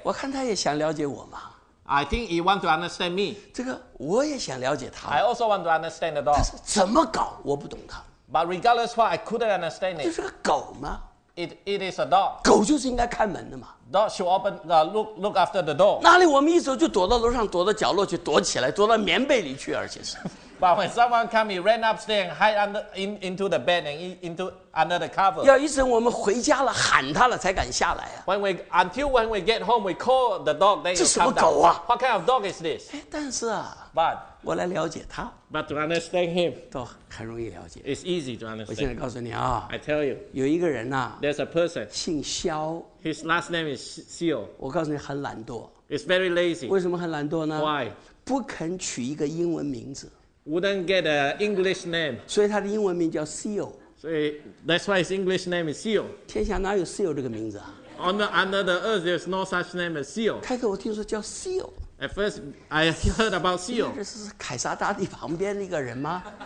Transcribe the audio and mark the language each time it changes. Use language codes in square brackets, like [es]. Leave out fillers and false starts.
[zh] 我看它也想了解我嘛 [en] I think it want to understand me. [zh] 这个我也想了解它 [en] I also want to understand the dog. [zh] 但是怎么搞我不懂它 [en] But regardless what, I couldn't understand it. [zh] 就是个狗嘛 [en] It is a dog. [zh] 狗就是应该看门的嘛。 [en] Dog should open the look after the door. [zh] 哪里我们一走就躲到楼上，躲到角落去，躲起来，躲到棉被里去，而且是。 [en] But when someone come, he ran upstairs and hide into the bed and into under the cover. [zh] 要一直我们回家了喊他了才敢下来啊。 [en] Until we get home, we call the dog. Then [zh] 这什么狗啊 [en] ？What kind of dog is this? [zh] 但是啊。 [en] But [zh] 我来了解他。 [en] But to understand him, [zh] 都很容易了解。 [en] It's easy to understand. [zh] 我现在告诉你啊。 [en] I tell you. [zh] 有一个人啊。 [en] There's a person. [zh] 姓肖。 [en] His last name is Seal. [zh] 我告诉你很懒惰。 [en] It's very lazy. [zh] 为什么很懒惰呢 [en] ？Why? [zh] 不肯取一个英文名字。 [en] Wouldn't get an English name. [zh] 所以他的英文名叫 Seal. [en] So [zh] 所以 [en] that's why his English name is Seal. [zh] 天下哪有 Seal 这个名字啊？ [en] Under the earth, there's no such name as Seal. [zh] 开口我听说叫 Seal. [en] At first, I heard about Seal. [zh] 这是凯撒大帝旁边那个人吗？